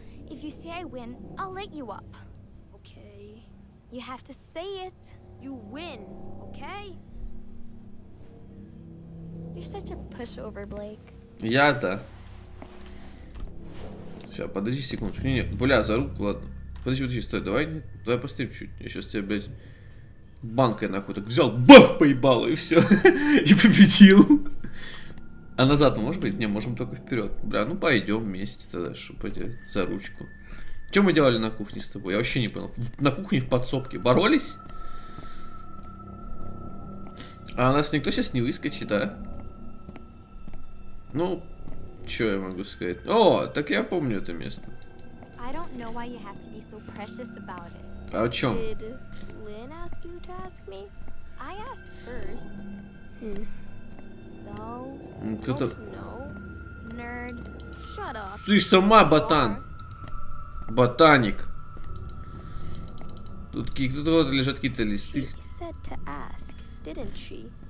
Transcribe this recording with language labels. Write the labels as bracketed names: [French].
[English] If you say I win, I'll let you up. Okay. You have to say it. You win, okay? You're such a pushover, Blake. [Russian] Я-то. Сейчас, подожди секундочку. Не-не, бля, за руку, ладно. Подожди, стой, давай постоим чуть. Я сейчас тебя, блядь, банкой нахуй так взял, бах, поебало, и все. И победил. А назад, может быть? Не, можем только вперед. Бля, ну пойдем вместе тогда, чтобы поделать за ручку. Че мы делали на кухне с тобой? Я вообще не понял. На кухне в подсобке боролись? А нас никто сейчас не выскочит, а? Ну, что я могу сказать? О, так я помню это место. [English] I don't know why you have to be so precious about it. [Russian] А о чем? [English] Did Lynn ask you to ask me? I asked first. So, don't you know? Nerd, shut up. [Russian] Ты сама, ботан. Ботаник. Тут какие-то лежат какие-то листы. [English] She said to ask, didn't she?